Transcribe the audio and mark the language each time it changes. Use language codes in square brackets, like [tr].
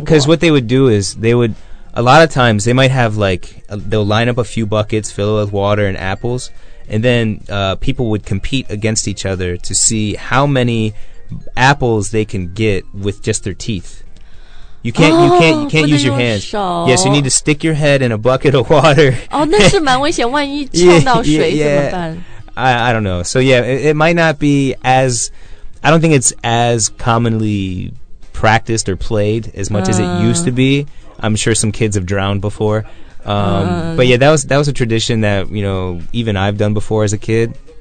[en] Because what they would do is, they would, a lot of times, they might have like, they'll line up a few buckets, fill it with water and apples, and then people would compete against each other to see how many apples they can get with just their teeth. You can't use your hands. Yes, you need to stick your head in a bucket of water. [zh] Oh, 那是蛮危险，万一呛到水怎么办？ [en] I don't know. So yeah, it might not be as, I don't think it's as commonly practiced or played as much as it used to be. I'm sure some kids have drowned before. But yeah, that was a tradition that, you know, even I've done before as a kid.